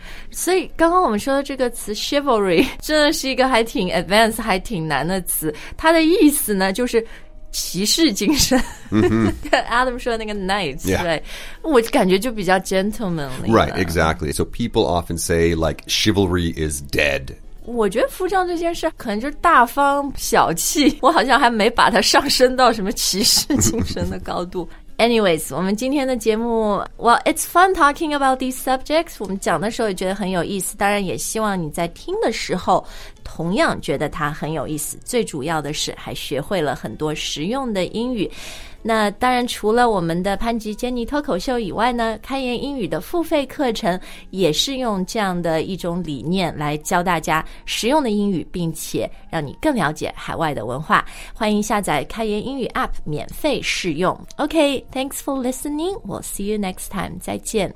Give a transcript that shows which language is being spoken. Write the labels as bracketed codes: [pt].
[zh] 所以刚刚我们说的这个词 chivalry 真的是一个还挺 advanced 还挺难的词，它的意思呢就是骑士精神、 mm-hmm. Adam 说的那个 knights、 [en] yeah. [zh] right? 我感觉就比较 gentlemanly [en] Right, exactly. So people often say like chivalry is dead. [zh] 我觉得服装这件事可能就是大方小气，我好像还没把它上升到什么骑士精神的高度。 [en] Anyways, [zh] 我们今天的节目 [en] Well, it's fun talking about these subjects. [zh] 我们讲的时候也觉得很有意思，当然也希望你在听的时候同样觉得它很有意思，最主要的是还学会了很多实用的英语。那当然除了我们的潘吉杰尼脱口秀以外呢，开言英语的付费课程也是用这样的一种理念来教大家实用的英语，并且让你更了解海外的文化。欢迎下载开言英语 APP 免费试用。 [en] OK, thanks for listening. We'll see you next time. [zh] 再见。